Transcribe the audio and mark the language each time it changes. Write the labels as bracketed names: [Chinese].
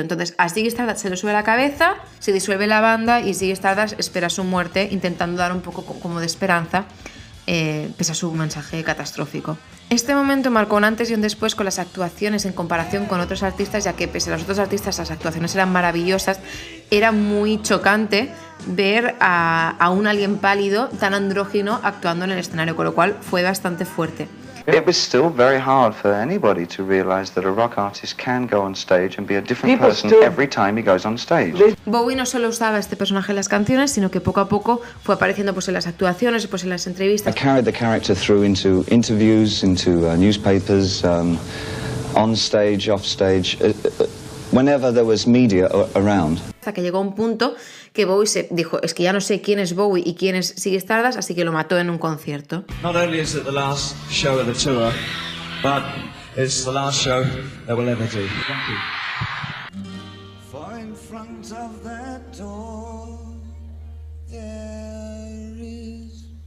[Spanish] Entonces, a Ziggy Stardust se le sube la cabeza, se disuelve la banda y Ziggy Stardust espera su muerte, intentando dar un poco como de esperanza, pese a su mensaje catastrófico. Este momento marcó un antes y un después con las actuaciones en comparación con otros artistas, ya que pese a los otros artistas, las actuaciones eran maravillosas. Era muy chocante ver a un alguien pálido, tan andrógino, actuando en el escenario, con lo cual fue bastante fuerte. [English] It was still very hard for anybody to realize that a rock artist can go on stage and be a different person every time he goes on stage. [Spanish] Bowie no solo usaba este personaje en las canciones, sino que poco a poco fue apareciendo pues en las actuaciones, pues en las entrevistas. [English] I carried the character through into interviews, into newspapers, on stage, off stage, whenever there was media around. [Spanish] Hasta que llegó un punto que Bowie se dijo, es que ya no sé quién es Bowie y quién es Ziggy Stardust, así que lo mató en un concierto. [English] Not only is it the last show of the tour, but it's the last show that we'll ever do. Thank you. For in front of that door, there is...